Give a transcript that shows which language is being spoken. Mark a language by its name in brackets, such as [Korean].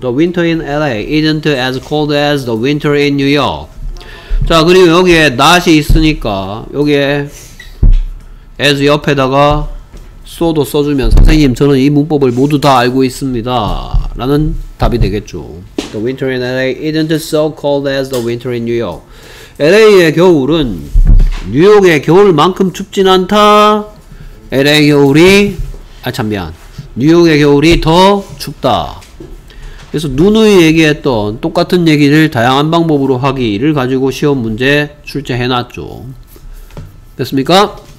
[English] The winter in LA isn't as cold as the winter in New York. [Korean] 자, 그리고 여기에 not이 있으니까 여기에 as 옆에다가 so도 써주면 선생님 저는 이 문법을 모두 다 알고 있습니다 라는 답이 되겠죠. [English] The winter in LA isn't so cold as the winter in New York. [Korean] LA의 겨울은 뉴욕의 겨울만큼 춥진 않다. LA의 겨울이 아 참 미안 뉴욕의 겨울이 더 춥다. 그래서 누누이 얘기했던 똑같은 얘기를 다양한 방법으로 하기를 가지고 시험 문제 출제해놨죠. 됐습니까?